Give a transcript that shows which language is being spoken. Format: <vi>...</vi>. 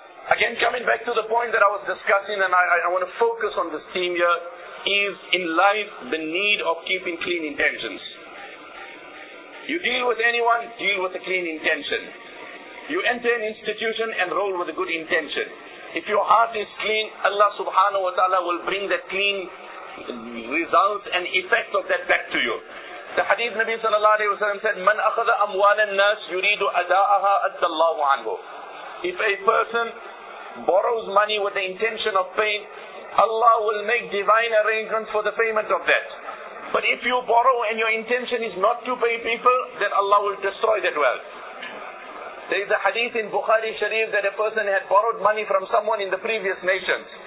<en>Again, coming back to the point that I was discussing, and I want to focus on this theme here, is in life the need of keeping clean intentions. You deal with anyone, deal with a clean intention. You enter an institution, enroll with a good intention. If your heart is clean, Allah subhanahu wa ta'ala will bring that clean result and effect of that back to you. The hadith Nabi sallallahu alayhi wa sallam said,</en> <ar>مَنْ أَخَذَ أَمْوَالَ النَّاسِ يُرِيدُ أَدَاءَهَا أَدَّ اللَّهُ عَنْهُ.</ar> <en>If a person borrows money with the intention of paying, Allah will make divine arrangements for the payment of that. But if you borrow and your intention is not to pay people, then Allah will destroy that wealth. There is a hadith in Bukhari Sharif that a person had borrowed money from someone in the previous nations.</en>